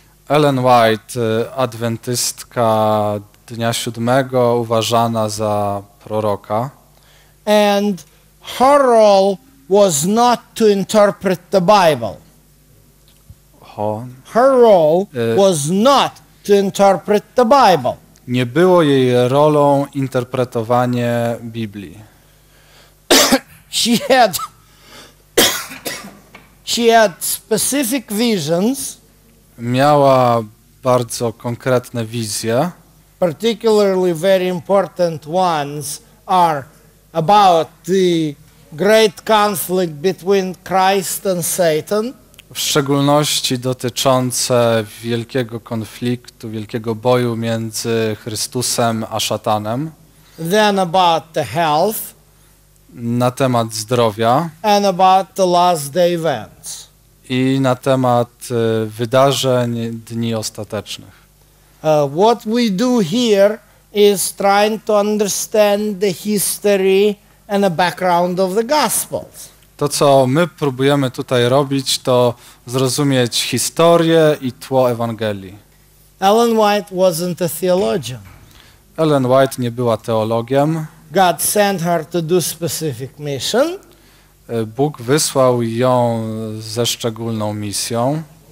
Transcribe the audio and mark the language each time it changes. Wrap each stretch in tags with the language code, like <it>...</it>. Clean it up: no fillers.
<pl>Ellen White, adwentystka Dnia Siódmego, uważana za proroka.</pl> <en>And her role was not to interpret the Bible. Her role was not to interpret the Bible.</en> <pl>Nie było jej rolą interpretowanie Biblii.</pl> <en>She had specific visions.</en> <pl>Miała bardzo konkretne wizje.</pl> <en>Particularly very important ones are about the great conflict between Christ and Satan.</en> <pl>W szczególności dotyczące wielkiego konfliktu, wielkiego boju między Chrystusem a szatanem.</pl> <en>Then about the health.</en> <pl>Na temat zdrowia.</pl> <en>And about the last day events.</en> <pl>I na temat wydarzeń dni ostatecznych.</pl> <en>What we do here is trying to understand the history and the background of the Gospels.</en> <pl>To, co my próbujemy tutaj robić, to zrozumieć historię i tło Ewangelii.</pl> <en>Ellen White wasn't a theologian.</en> <pl>Ellen White nie była teologiem.</pl> <en>God sent her to do specific mission.</en> <pl>Bóg wysłał ją ze szczególną misją.</pl>